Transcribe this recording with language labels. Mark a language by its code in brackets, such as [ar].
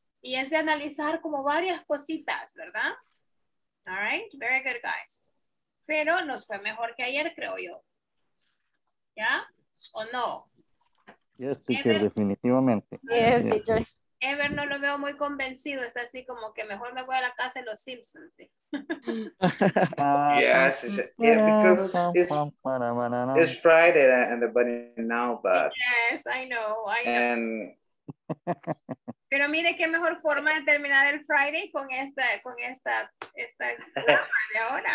[es] Y es de analizar como varias cositas, ¿verdad? [en] All right, very good, guys. [es] Pero nos fue mejor que ayer, creo yo. ¿Ya? ¿O no? [en] Yes, teacher, Ever, [es] definitivamente. [en] Yes, teacher. [es] Ever no lo veo muy convencido. Está así como que mejor me voy a la casa de los Simpsons. ¿Sí? [en] Yes, yeah, because it's Friday and the bunny now, but... Yes, I know, I know. And... [es] Pero mire qué mejor forma de terminar el Friday con esta de ahora.